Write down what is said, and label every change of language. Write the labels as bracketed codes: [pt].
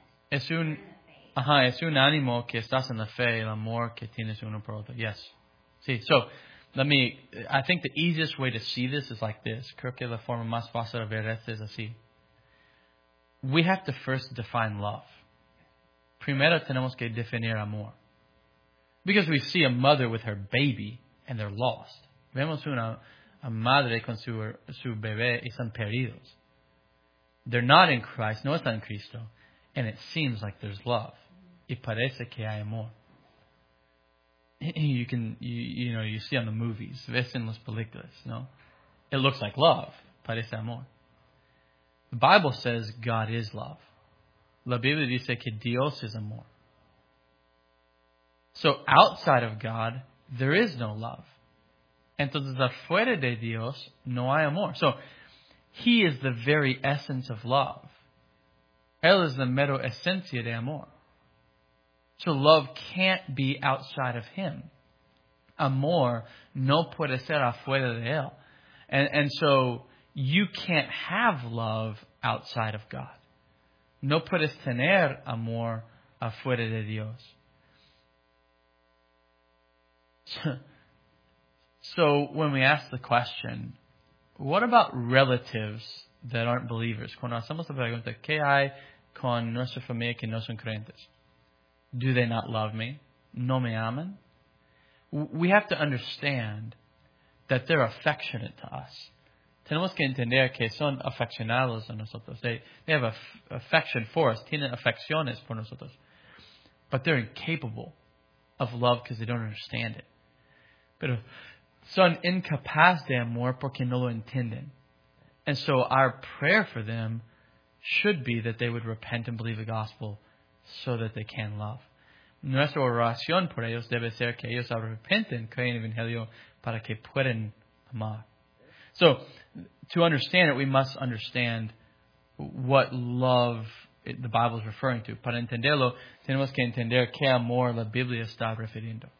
[es] Es un ánimo que estás en la fe, el amor que tienes uno por otro. [en] Yes. Sí, so, I think the easiest way to see this is like this. [es] Creo que la forma más fácil de ver esto es así. [en] We have to first define love. [es] Primero tenemos que definir amor. [en] Because we see a mother with her baby and they're lost. [es] Vemos una madre con su bebé y son perdidos. [en] They're not in Christ, [es] no están en Cristo. [en] And it seems like there's love. [es] Y parece que hay amor. [en] You see on the movies, [es] ves en las películas, no? [en] It looks like love. [es] Parece amor. [en] The Bible says God is love. [es] La Biblia dice que Dios es amor. [en] So outside of God, there is no love. [es] Entonces, afuera de Dios, no hay amor. [en] So He is the very essence of love. [es] Él es la mera esencia de amor. [en] So love can't be outside of Him. [es] Amor no puede ser afuera de Él. [en] And so you can't have love outside of God. [es] No puedes tener amor afuera de Dios. [en] So when we ask the question, what about relatives that aren't believers? [es] Cuando hacemos la pregunta, ¿qué hay con nuestra familia que no son creyentes? [en] Do they not love me? [es] ¿No me aman? [en] We have to understand that they're affectionate to us. [es] Tenemos que entender que son afeccionados a nosotros. [en] They have affection for us. [es] Tienen afecciones por nosotros. [en] But they're incapable of love because they don't understand it. [es] Pero son incapaz de amor porque no lo entienden. [en] And so our prayer for them should be that they would repent and believe the gospel so that they can love. [es] Nuestra oración por ellos debe ser que ellos arrepenten, creen el evangelio para que puedan amar. [en] So, to understand it, we must understand what love the Bible is referring to. [es] Para entenderlo, tenemos que entender qué amor la Biblia está refiriendo.